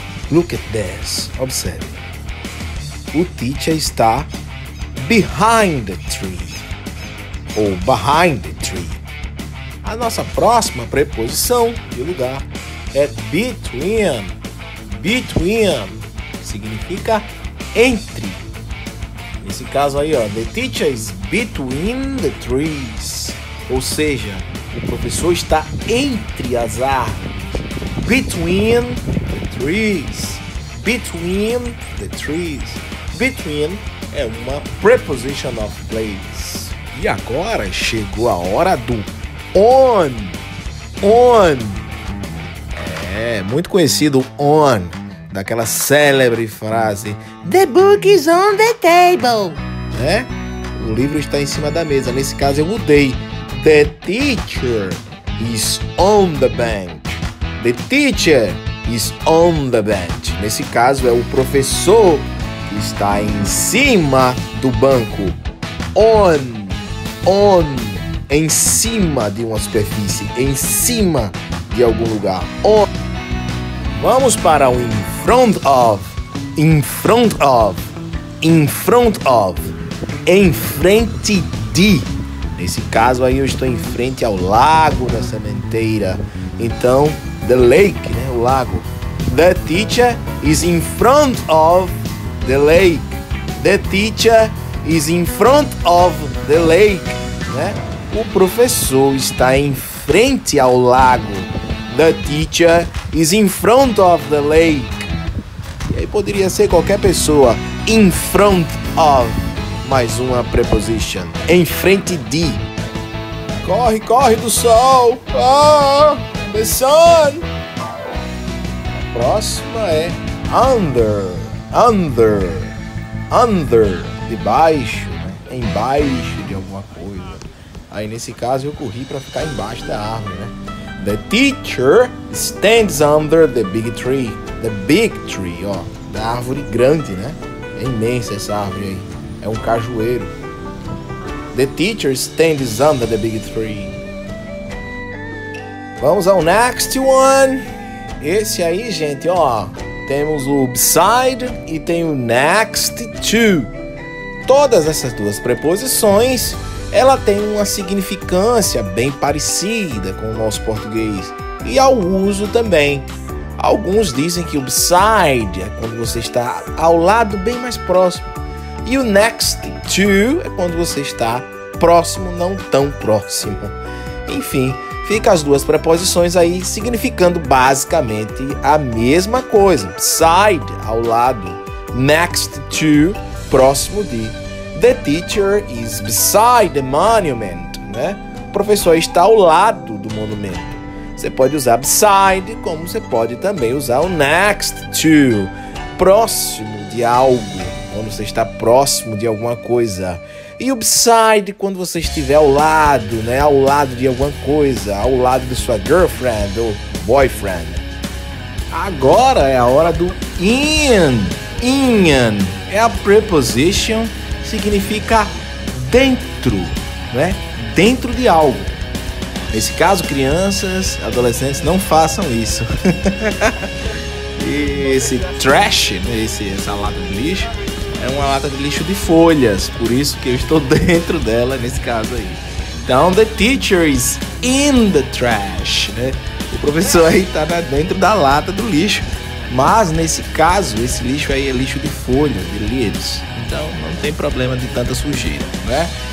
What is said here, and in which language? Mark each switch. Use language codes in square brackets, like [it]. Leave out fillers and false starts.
[en] Look at this. Observe. [pt] O teacher está [en] behind the tree ou behind the tree. [pt] A nossa próxima preposição de lugar é between. Between significa entre. Nesse caso aí, ó, [en] the teacher is between the trees. [pt] Ou seja, o professor está entre as árvores. [en] Between the trees. Between the trees. [pt] Between é uma preposition of place. E agora chegou a hora do on. On. É, muito conhecido on, daquela célebre frase [en] The book is on the table. [pt] Né? O livro está em cima da mesa. Nesse caso eu mudei. [en] The teacher is on the bench. The teacher is on the bench. [pt] Nesse caso é o professor que está em cima do banco. On, on, em cima de uma superfície, em cima de algum lugar. On. Vamos para o in front of. [en] In front of. In front of. [pt] Em frente de. Nesse caso aí eu estou em frente ao lago da sementeira. Então, the lake, né? O lago. [en] The teacher is in front of the lake. The teacher is in front of the lake. [pt] Né? O professor está em frente ao lago. [en] The teacher is in front of the lake. [pt] E aí poderia ser qualquer pessoa. In front of. Mais uma preposition. Em frente de. Corre, corre do sol. [en] Ah, the sun. [pt] A próxima é under. Under. Under. Debaixo, né? Embaixo de alguma coisa. Aí nesse caso eu corri para ficar embaixo da árvore, né? [en] The teacher stands under the big tree. The big tree, ó. [pt] da árvore grande, né? É imensa essa árvore aí. É um cajueiro. [en] The teacher stands under the big tree. [pt] Vamos ao next one. Esse aí, gente, ó. Temos o beside e tem o next to. Todas essas duas preposições, ela tem uma significância bem parecida com o nosso português. E ao uso também. Alguns dizem que o beside é quando você está ao lado bem mais próximo. E o next to é quando você está próximo, não tão próximo. Enfim, fica as duas preposições aí significando basicamente a mesma coisa. Beside, ao lado. Next to, próximo de. [en] The teacher is beside the monument. [pt] Né? O professor está ao lado do monumento. Você pode usar beside, como você pode também usar o next to, próximo de algo, quando você está próximo de alguma coisa. E o beside, quando você estiver ao lado, né, ao lado de alguma coisa, ao lado de sua girlfriend ou boyfriend. Agora é a hora do in. In é a preposition, significa dentro, né, dentro de algo. Nesse caso, crianças, adolescentes, não façam isso. E esse trash, né, essa lata de lixo, é uma lata de lixo de folhas. Por isso que eu estou dentro dela nesse caso aí. Então, [en] the teacher is in the trash. [pt] Né? O professor aí está dentro da lata do lixo. Mas, nesse caso, esse lixo aí é lixo de folhas, de leaves. Então, não tem problema de tanta sujeira, né?